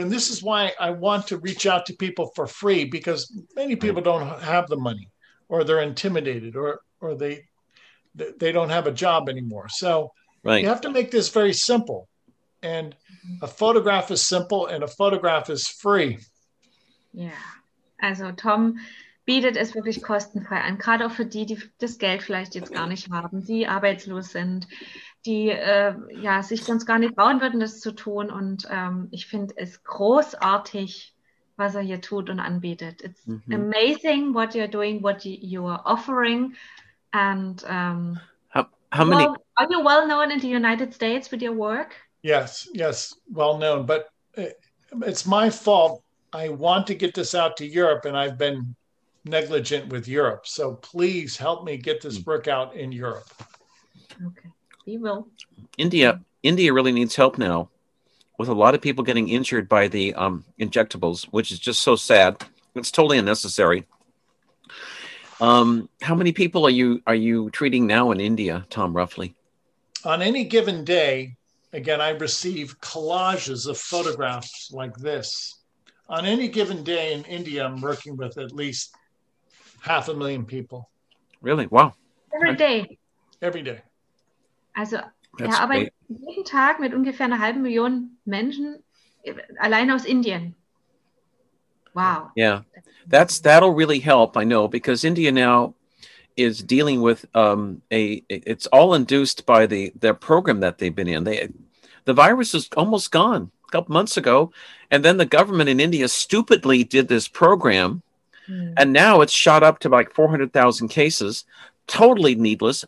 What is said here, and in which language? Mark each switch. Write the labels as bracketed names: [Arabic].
[English] And this is why I want to reach out to people for free, because many people don't have the money. Or they're intimidated, or they don't have a job anymore. So you have to make this very simple. And a photograph is simple, and a photograph is free. Yeah. [German] Also Tom bietet es wirklich kostenfrei an, gerade auch für die, die das Geld vielleicht jetzt gar nicht haben, die arbeitslos sind, die sich sonst gar nicht trauen würden, das zu tun. Und ich finde es großartig, was er hier tut und anbietet. [English] It's amazing what you're doing, what you are offering. And are you well known in the United States with your work? Yes, well known. But it's my fault. I want to get this out to Europe, and I've been negligent with Europe. So please help me get this work out in Europe. Okay, we will. India really needs help now. With a lot of people getting injured by the injectables, which is just so sad. It's totally unnecessary. How many people are you treating now in India, Tom, roughly? On any given day, again, I receive collages of photographs like this. On any given day in India, I'm working with at least 500,000 people. Really? Wow. Every day. Also, that's great. [German] Jeden Tag mit ungefähr 500,000 Menschen allein aus Indien. [English] Wow. Yeah, that'll really help. I know, because India now is dealing with it's all induced by their program that they've been in. The virus is almost gone a couple months ago, and then the government in India stupidly did this program, and now it's shot up to like 400,000 cases. Totally needless.